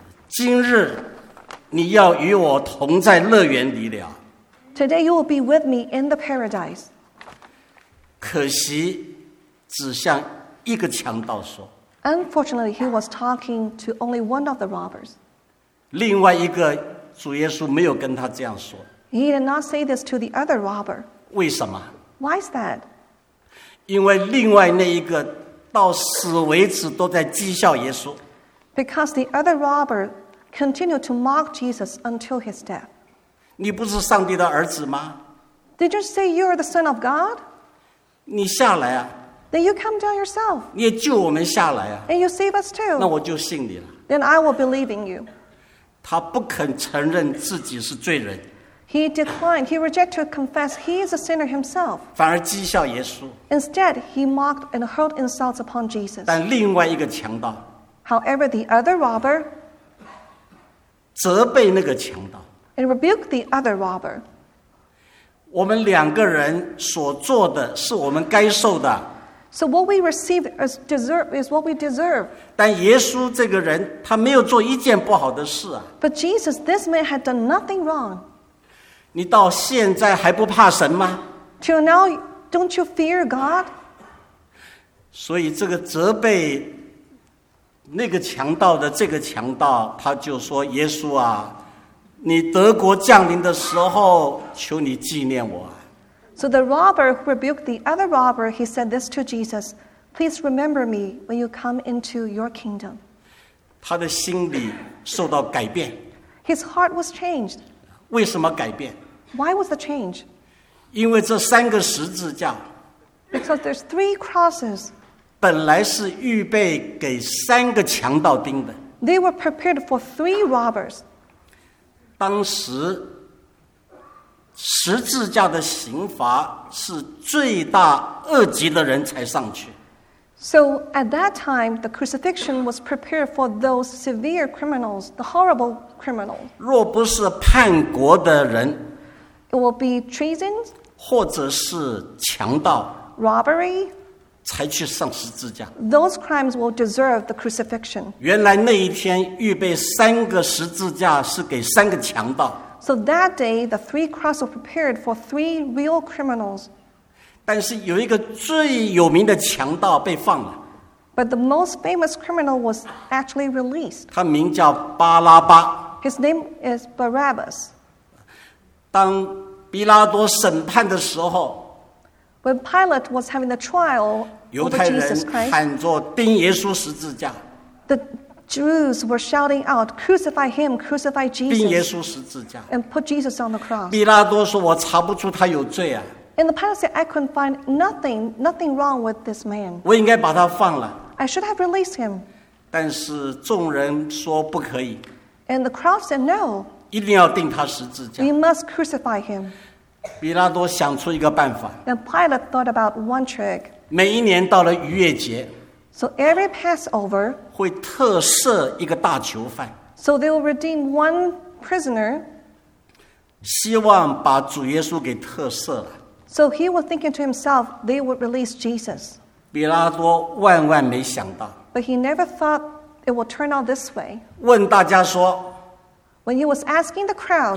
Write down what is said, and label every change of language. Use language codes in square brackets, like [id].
[zh] 今日你要与我同在乐园里了。 [en] Today you will be with me in the paradise. [zh] 可惜只向一个强盗说。 [en] Unfortunately, he was talking to only one of the robbers. [zh] 另外一个主耶稣没有跟他这样说。 [en] He did not say this to the other robber. [zh] 为什么？ [en] Why is that? [zh] 因为另外那一个到死为止都在讥笑耶稣。 [en] Because the other robber continued to mock Jesus until his death. [zh] 你不是上帝的儿子吗？ [en] Did you say you are the son of God? [zh] 你下来啊。 [en] Then you come down yourself. [zh] 你也救我们下来啊。 [en] And you save us too. [zh] 那我就信你了。 [en] Then I will believe in you. [zh] 他不肯承认自己是罪人。 [en] He declined. He rejected to confess he is a sinner himself. [zh] 反而讥笑耶稣。 [en] Instead, he mocked and hurled insults upon Jesus. [zh] 但另外一个强盗。 [en] However, the other robber. [zh] 责备那个强盗。 [en] And rebuked the other robber. [zh] 我们两个人所做的是我们该受的。 [en] So what we received as deserve is what we deserve. [zh] 但耶稣这个人他没有做一件不好的事啊。 [en] But Jesus, this man had done nothing wrong. [zh] 你到现在还不怕神吗？ [en] Till now, don't you fear God? [zh] 所以这个责备那个强盗的这个强盗，他就说，耶稣啊，你德国降临的时候，求你纪念我。 [en] So the robber who rebuked the other robber, he said this to Jesus, please remember me when you come into your kingdom. [zh] 他的心里受到改变。 [en] His heart was changed. [zh] 为什么改变？ [en] Why was the change? [zh] 因为这三个十字架。 [en] Because there's three crosses. [zh] 本来是预备给三个强盗钉的。 [en] They were prepared for three robbers. [zh] 当时十字架的刑罚是罪大恶极的人才上去。 [en] So at that time, the crucifixion was prepared for those severe criminals, the horrible criminal. [zh] 若不是叛国的人， [en] it will be treason, [zh] 或者是强盗， [en] robbery, [zh] 才去上十字架。 [en] Those crimes will deserve the crucifixion. [zh] 原来那一天预备三个十字架是给三个强盗。 [en] So that day, the three crosses were prepared for three real criminals. [zh] 但是有一个最有名的强盗被放了。 [en] But the most famous criminal was actually released. [zh] 他名叫巴拉巴。 [en] His name is Barabbas. [zh] 当比拉多审判的时候， [en] When Pilate was having the trial over Jesus Christ, [zh] 犹太人喊着钉耶稣十字架。 [en] The Jews were shouting out, crucify him, crucify Jesus. [zh] 钉耶稣十字架。 [en] And put Jesus on the cross. [zh] 比拉多说我查不出他有罪啊。 [en] And the Pilate said, I couldn't find nothing wrong with this man. [zh] 我应该把他放了。 [en] I should have released him. [zh] 但是众人说不可以。 [en] And the crowd said, no. [zh] 一定要钉他十字架。 [en] We must crucify him. [zh] 比拉多想出一个办法。 [en] And Pilate thought about one trick. [zh] 每一年到了逾越节。 [en] So every Passover, [zh] 会特赦一个大囚犯。 [en] So they will redeem one prisoner. [zh] 希望把主耶稣给特赦了。 [en] So he was thinking to himself, they would release Jesus. [zh] 比拉多万万没想到。 [en] But he never thought it would turn out this way. [zh] 问大家说， [en] When he was asking the crowd,